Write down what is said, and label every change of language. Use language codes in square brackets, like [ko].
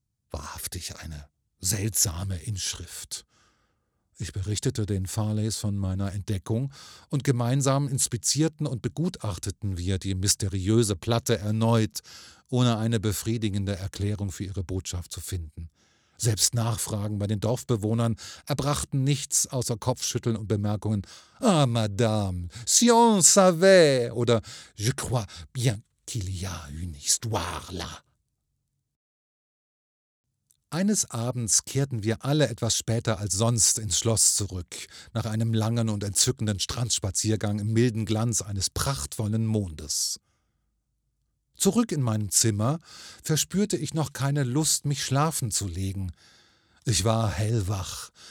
[de] Wahrhaftig eine seltsame Inschrift. Ich berichtete den Farleys von meiner Entdeckung und gemeinsam inspizierten und begutachteten wir die mysteriöse Platte erneut, ohne eine befriedigende Erklärung für ihre Botschaft zu finden. Selbst Nachfragen bei den Dorfbewohnern erbrachten nichts außer Kopfschütteln und Bemerkungen. [fr] »Ah, Madame, si on savait« oder »Je crois bien qu'il y a une histoire là«. [de] Eines Abends kehrten wir alle etwas später als sonst ins Schloss zurück, nach einem langen und entzückenden Strandspaziergang im milden Glanz eines prachtvollen Mondes. Zurück in meinem Zimmer verspürte ich noch keine Lust, mich schlafen zu legen. Ich war hellwach,